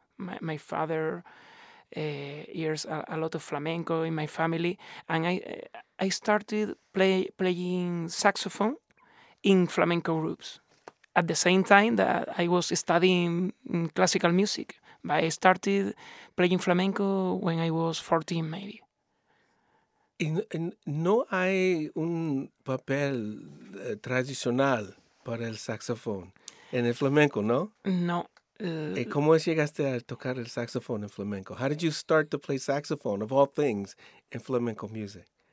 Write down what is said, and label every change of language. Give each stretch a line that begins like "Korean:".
English: My father hears a lot of flamenco in my family. And I started playing saxophone in flamenco groups at the same time that I was studying classical music. But I started playing flamenco when I was 14, maybe.
Spanish: ¿No hay un papel tradicional para el saxofón en el flamenco, no? No. ¿Cómo llegaste a tocar el saxofón en flamenco?
English: How did you start to play saxophone, of all things, in flamenco music?